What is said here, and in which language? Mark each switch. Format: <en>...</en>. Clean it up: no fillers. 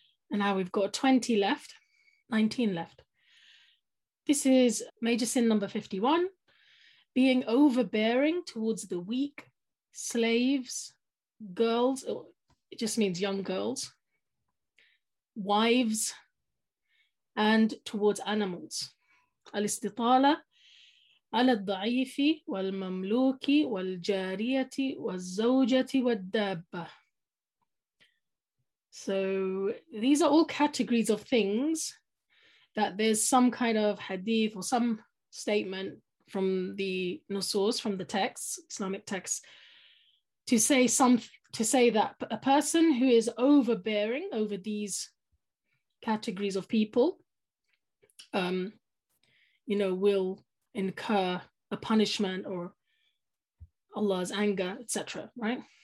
<en>And now we've got 20 left, 19 left. This is major sin number 51, being overbearing towards the weak, slaves, girls, or it just means young girls, wives, and towards animals.</en> <ar>Al-istitala. على الضعيف والمملوك والجارية والزوجة والدابة.</ar> <en>So these are all categories of things that there's some kind of hadith or some statement from the nusus, from the texts, Islamic texts, to say that a person who is overbearing over these categories of people, will incur a punishment or Allah's anger, etc., right?</en>